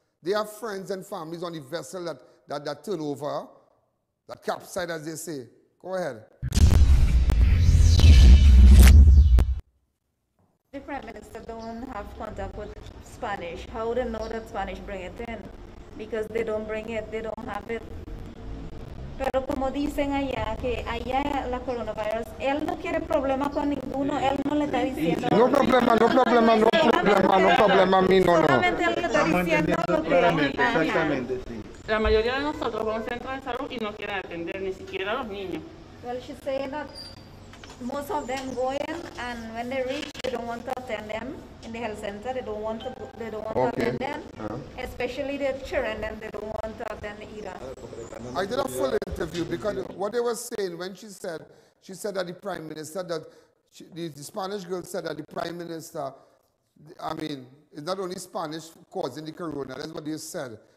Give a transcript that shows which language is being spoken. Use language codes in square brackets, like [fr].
[en] They are friends and families on the vessel that turn over, that capsize, as they say. Go ahead. The Prime Minister don't have contact with Spanish. How would they know that Spanish bring it in? Because they don't bring it, they don't have it. [es] Pero como dicen allá, que allá la coronavirus, él no quiere problema con ninguno, él no le está diciendo. No problema, a mí no. Solamente él le está diciendo lo que exactamente, sí. La mayoría de nosotros vamos a centro de salud y no quieren atender, ni siquiera a los niños. [en] Well, she's saying that most of them go in, and when they reach, they don't want to attend them in the health center. They don't want to attend them, uh-huh. Especially the children, and they don't want to attend either. I did a full interview because what they were saying when she said that the prime minister, that the Spanish girl said that the prime minister, I mean, it's not only Spanish causing the corona. That's what they said.